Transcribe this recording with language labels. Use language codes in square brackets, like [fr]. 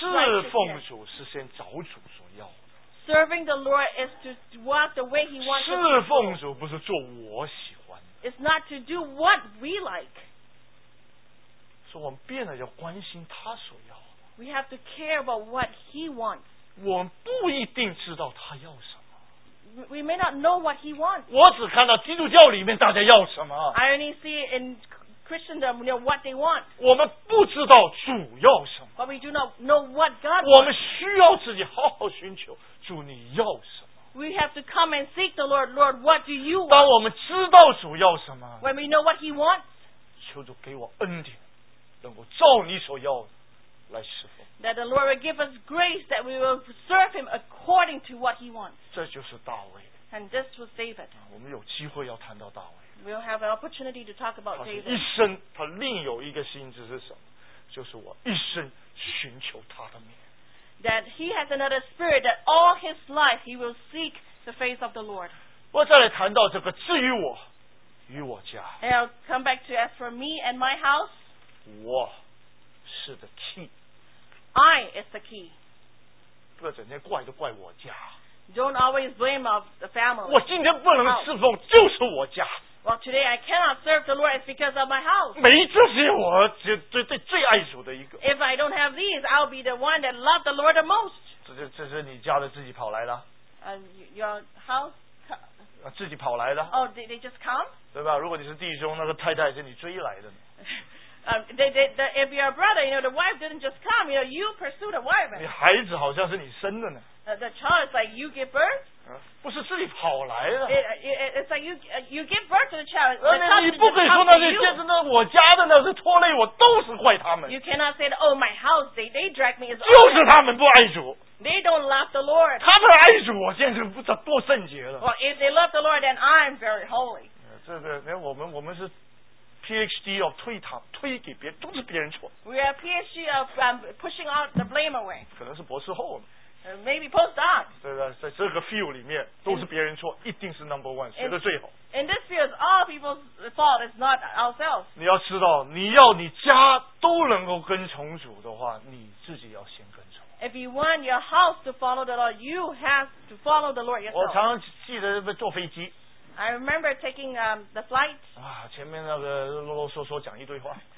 [en] righteousness. [zh] 侍奉主是先找主所要的。 [en] Serving the Lord is to walk the way He wants. [zh] 侍奉主不是做我喜欢的。 [en] It's not to do what we like. [zh] 所以我们变得要关心他所要的。 [en] We have to care about what He wants. [zh] 我们不一定知道他要什么。 [en] We may not know what he wants. [zh] 我只看到基督教里面大家要什么。 [en] I only see in Christendom you know, what they want. [zh] 我们不知道主要什么。 [en] But we do not know what God wants. [zh] 我们需要自己好好寻求主你要什么。 [en] We have to come and seek the Lord. Lord, what do you want? [zh] 当我们知道主要什么。 [en] When we know what he wants. [zh] 求主给我恩典，能够照你所要的来侍奉。 [en] That the Lord will give us grace that we will serve him according to what he wants. [zh] 这就是大卫。 [en] And this was David. [zh] 我们有机会要谈到大卫。 [en] We'll have an opportunity to talk about David. [zh] 他一生他另有一个心志是什么？就是我一生寻求他的面。 [en] That he has another spirit that all his life he will seek the face of the Lord. [zh] 我再来谈到这个至于我与我家。 [en] And I'll come back to ask for me and my house. [zh] 我是的气。 [en] I is the key. [zh] 不要整天怪都怪我家。 [en] Don't always blame of the family. [zh] 我今天不能侍奉，就是我家。 [en] Well, today I cannot serve the Lord. It's because of my house. [zh] 没这些，我最爱主的一个。 [en] If I don't have these, I'll be the one that loves the Lord the most. [zh] 这是你家的自己跑来的。 [en] Your house. [zh] 自己跑来的。 [en] Oh, they just come. [zh] 对吧？如果你是弟兄，那个太太是你追来的。 [en] If you're a brother, you know, the wife didn't just come, you know, you pursued a wife. [zh] 你孩子好像是你生的呢。 [en] The child is like you give birth. [zh] 不是自己跑来的。 [en] It's like you give birth to the child. [zh] 你不可以说那些就是那我家的那是拖累我，都是怪他们。 [en] You cannot say that, oh, my house, they drag me. [zh] 就是他们不爱主。 [en] They don't love the Lord. [zh] 他们爱主，我现在不知道多圣洁了。 [en] Well, if they love the Lord, then I'm very holy. [zh] 这我们是。 PhD 要推他，推给别人，都是别人错。 [en] We are PhD of pushing out the blame away. [zh] 可能是博士后。 [en] Maybe postdoc. [zh] 对的，在这个 field 里面都是别人错，一定是 number one 学的最好。 [en] In this field, all people's fault is not ourselves. [zh] 你要知道，你要你家都能够跟从主的话，你自己要先跟从。 [en] If you want your house to follow the Lord, you have to follow the Lord yourself. [zh] 我常常记得坐飞机。 [en] I remember taking the flight. [zh] 前面那个啰啰嗦嗦讲一堆话。